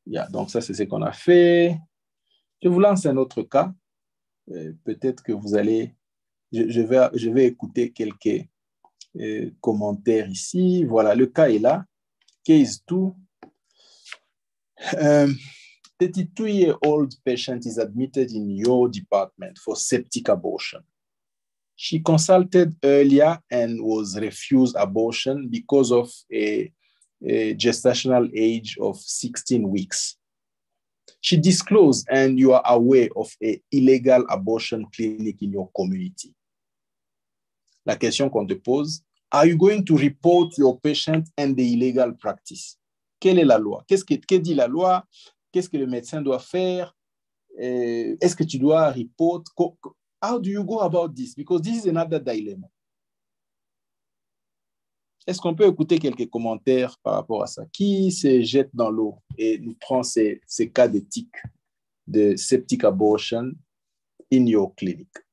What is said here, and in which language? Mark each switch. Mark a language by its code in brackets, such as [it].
[fr] Donc ça, c'est ce qu'on a fait. Je vous lance un autre cas. Peut-être que vous allez... Je vais écouter quelques commentaires ici. Voilà, le cas est là. Case 2. [en] The 32-year-old patient is admitted in your department for septic abortion. She consulted earlier and was refused abortion because of a gestational age of 16 weeks. She disclosed, and you are aware of an illegal abortion clinic in your community. [fr] La question qu'on te pose, [en] are you going to report your patient and the illegal practice? [fr] Quelle est la loi? Qu'est-ce que dit la loi? Qu'est-ce que le médecin doit faire? Est-ce que tu dois report? [en] How do you go about this? Because this is another dilemma. [fr] Est-ce qu'on peut écouter quelques commentaires par rapport à ça? Qui se jette dans l'eau et nous prend ces cas d'éthique de [en] septic abortion in your clinic?